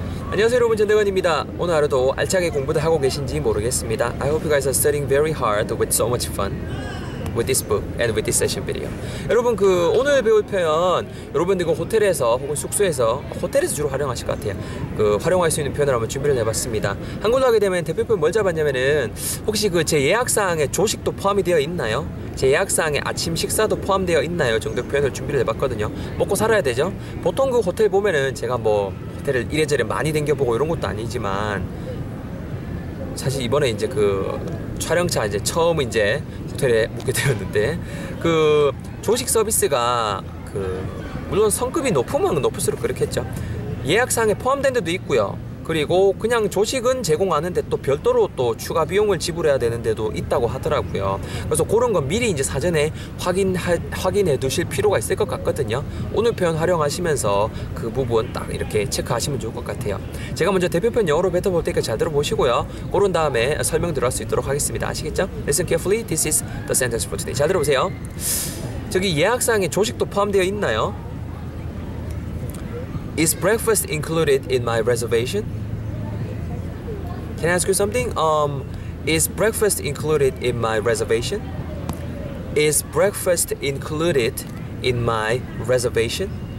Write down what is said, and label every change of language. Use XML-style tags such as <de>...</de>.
<ko>안녕하세요 여러분, 전대건입니다. 오늘 하루도 알차게 공부도 하고 계신지 모르겠습니다.</ko> <en>I hope you guys are studying very hard with so much fun with this book and with this session video.</en> <ko>여러분, 그 오늘 배울 표현, 여러분들 이거 호텔에서 혹은 숙소에서, 호텔에서 주로 활용하실 것 같아요. 그 활용할 수 있는 표현을 한번 준비를 해봤습니다. 한국어로 하게 되면 대표 표현 뭘 잡았냐면은, 혹시 그 제 예약사항에 조식도 포함이 되어 있나요? 제 예약사항에 아침 식사도 포함되어 있나요? 정도 표현을 준비를 해봤거든요. 먹고 살아야 되죠? 보통 그 호텔 보면은 제가 뭐 호텔을 이래저래 많이 댕겨보고 이런 것도 아니지만, 사실 이번에 이제 그 촬영차 이제 처음 이제 호텔에 묵게 되었는데, 그 조식 서비스가 그 물론 성급이 높으면 높을수록 그렇겠죠. 예약사항에 포함된 데도 있고요. 그리고 그냥 조식은 제공하는데 또 별도로 또 추가 비용을 지불해야 되는 데도 있다고 하더라고요. 그래서 그런 건 미리 이제 사전에 확인해 두실 필요가 있을 것 같거든요. 오늘 표현 활용하시면서 그 부분 딱 이렇게 체크하시면 좋을 것 같아요. 제가 먼저 대표 표현 영어로 뱉어볼 테니까 잘 들어보시고요. 그런 다음에 설명 들어갈 수 있도록 하겠습니다. 아시겠죠?</ko> <en>Listen carefully. This is the sentence for today.</en> <ko>잘 들어보세요. 저기 예약사항에 조식도 포함되어 있나요?</ko> <en>Is breakfast included in my reservation? Can I ask you something? Is breakfast included in my reservation? Is breakfast included in my reservation?</en>